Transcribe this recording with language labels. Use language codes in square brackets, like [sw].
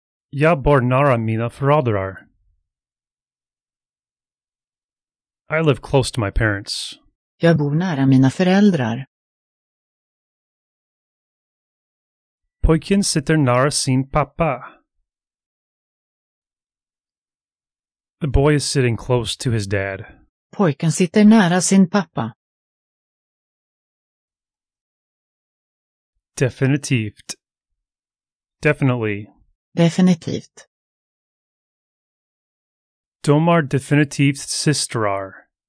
[sv] Jag bor nära mina föräldrar. [en] I live close to my parents. [sv] Jag bor nära mina föräldrar. Pojken sitter nära sin pappa. [en] The boy is sitting close to his dad. [sv] Pojken sitter nära sin pappa. Definitivt. [en] Definitely. [sv] Definitivt. De är definitivt systrar.